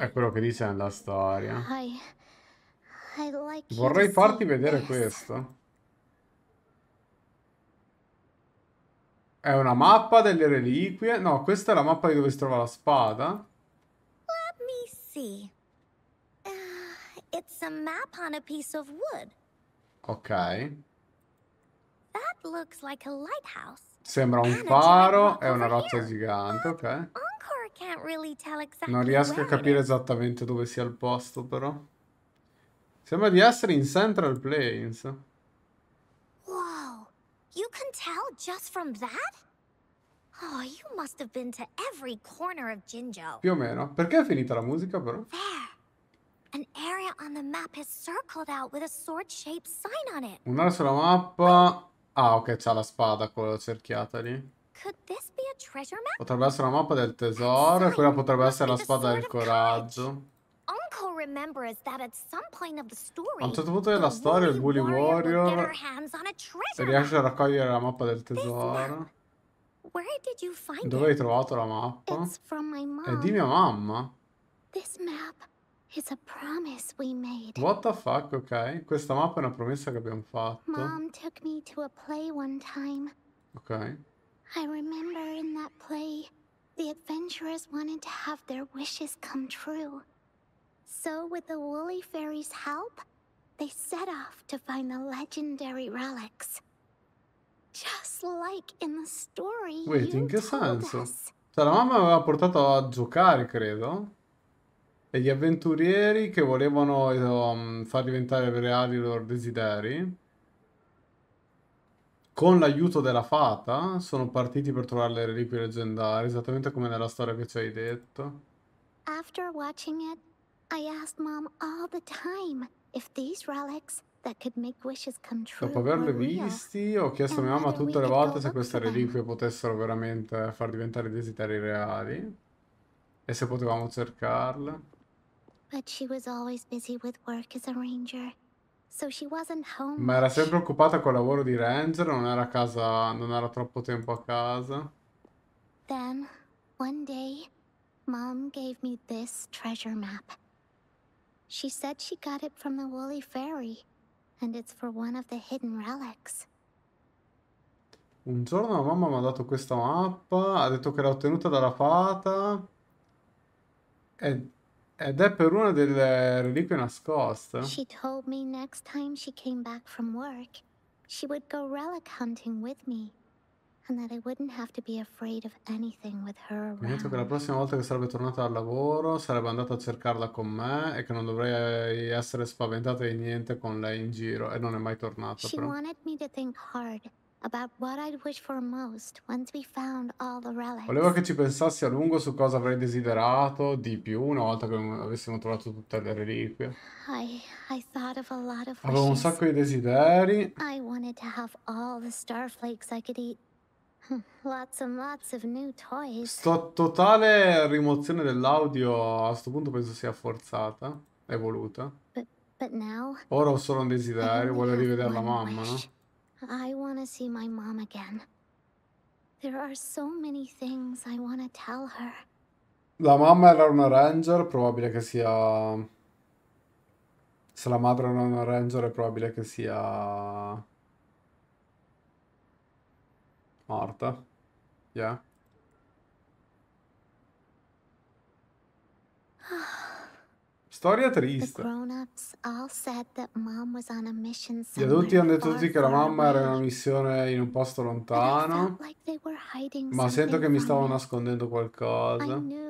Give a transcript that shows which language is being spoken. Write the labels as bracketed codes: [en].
[it] È quello che dice nella storia. [en] I like [it] vorrei farti vedere [en] this. [it] Questo. È una mappa delle reliquie. No, questa è la mappa di dove si trova la spada. [en] Let me see. It's a map on a piece of wood. Ok. That looks like a lighthouse. [it] Sembra un faro. È una roccia gigante, ok. [en] Can't really tell exactly. [it] Non riesco a capire esattamente dove sia il posto, però. Sembra di essere in Central Plains. [en] Wow. You can tell just from that? Oh, you must have been to every corner of Jinjo. [it] Più o meno. Perché è finita la musica, però? [en] There. An area on the map is circled out with a sword-shaped sign on it. [it] Un'area sulla mappa. Ah, ok, c'ha la spada quella cerchiata lì. [en] Could this be a treasure map? [it] Potrebbe essere la mappa del tesoro e quella potrebbe essere la spada del coraggio. [en] Uncle remembers that at some point of the story, [it] a un certo punto della storia il Woolly Warrior riesce a raccogliere la mappa del tesoro. [en] Where did you find [it] Dove [en] it? [it] Hai trovato la mappa? [en] It's from my mom. [it] È di mia mamma. [en] This map is a promise we made. What the fuck, ok? [it] Questa mappa è una promessa che abbiamo fatto. [en] Mom took me to a play one time. [it] Ok. [en] I remember in that play, the adventurers wanted to have their wishes come true. So with the woolly fairy's help, they set off to find the legendary relics. Just like in the story. Wait, [it] in che senso? Cioè, la mamma aveva portato a giocare, credo. E gli avventurieri che volevano far diventare reali i loro desideri, con l'aiuto della fata, sono partiti per trovare le reliquie leggendarie, esattamente come nella storia che ci hai detto. [en] After watching it, I asked mom all the time if these relics that could make wishes come true. [it] Dopo averle visti, ho chiesto a mia mamma tutte le volte se queste reliquie potessero veramente far diventare desideri reali e se potevamo cercarle. [en] But she was always busy with work as a ranger, so she wasn't home. [it] Ma era sempre occupata col lavoro di ranger, non era a casa, non era troppo tempo a casa. [en] Then one day, mom gave me this treasure map. She said she got it from the woolly fairy. And it's for one of the hidden relics. [it] Un giorno la mamma mi ha dato questa mappa, ha detto che l'ha ottenuta dalla fata, ed è per una delle reliquie nascoste. [en] She told me next time she came back from work, she would go relic hunting with me, and that I wouldn't have to be afraid of anything with her around. [it] Mi ha detto che la prossima volta che sarebbe tornata dal lavoro sarebbe andata a cercarla con me e che non dovrei essere spaventata di niente con lei in giro, e non è mai tornata. [en] She wanted me to think hard about what I'd wish for most once we found all the relics. [it] Voleva che ci pensassi a lungo su cosa avrei desiderato di più una volta che avessimo trovato tutte le reliquie. [en] I thought of a lot of wishes. [it] Avevo un sacco di desideri. [en] I wanted to have all the star flakes I could eat. Lots and lots of new toys. [it] Sto totale rimozione dell'audio a sto punto penso sia forzata, è voluta. [en] But now, [it] ora ho solo un desiderio, voglio rivedere la mamma, no? [en] I want to see my mom again. There are so many things I want to tell her. [it] La mamma era una ranger, probabile che sia... Se la madre era una ranger è probabile che sia... [en] Marta, yeah. [it] Storia triste. [en] The grown-ups all said that mom was on a mission somewhere. [it] Gli adulti hanno detto tutti che la mamma era in una missione in un posto lontano. Ma sento che mi stavano nascondendo qualcosa.